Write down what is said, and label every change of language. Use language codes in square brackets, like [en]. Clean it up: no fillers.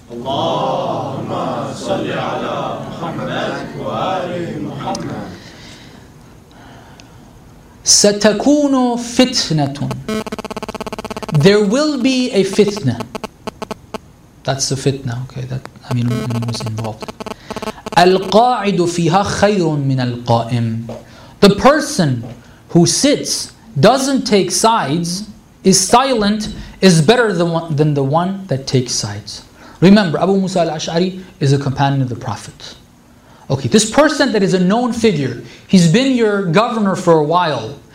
[ar] Allahumma salli ala Muhammad wa وآل محمد. ستكون فتنة. [en] There will be a fitna. That's the fitna. Okay, that Amir al-Mu'minin was involved. [ar] القاعد فيها خير من القائم. [en] The person who sits, doesn't take sides, is silent, is better than the one that takes sides. Remember, Abu Musa al-Ash'ari is a companion of the Prophet. Okay, this person that is a known figure, he's been your governor for a while.